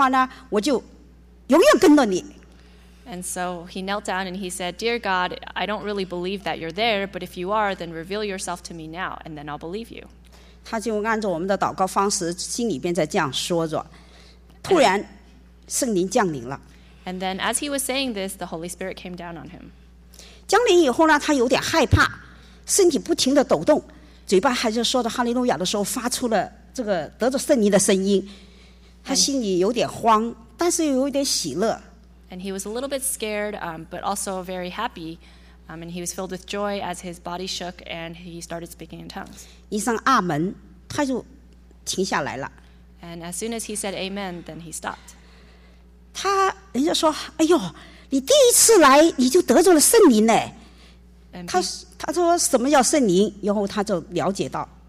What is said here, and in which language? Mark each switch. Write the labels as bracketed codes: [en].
[zh] 他是怎么祷告呢？他说，神啊，我就不相信有这个神，如果你要存在的话呢，你就显现给我看吧，如果你显现给我看了，我就会相信的话呢，我就永远跟着你。 [en] And so he knelt down and he said, Dear God, I don't really believe that you're there, but if you are, then reveal yourself to me now, and then I'll believe you. [zh] 他就按照我们的祷告方式，心里边在这样说着，突然圣灵降临了。 [en] And then as he was saying this, the Holy Spirit came down on him. [zh] 降临以后呢，他有点害怕，身体不停地抖动，嘴巴还是说着哈利路亚的时候，发出了这个得着圣灵的声音，他心里有点慌，但是又有点喜乐。 [en] And he was a little bit scared, but also very happy, and he was filled with joy as his body shook and he started speaking in tongues. [zh] 一声阿门，他就停下来了。 [en] And as soon as he said amen, then he stopped. [zh] 他人家说，哎呦，你第一次来你就得着了圣灵呢。他说什么叫圣灵，然后他就了解到。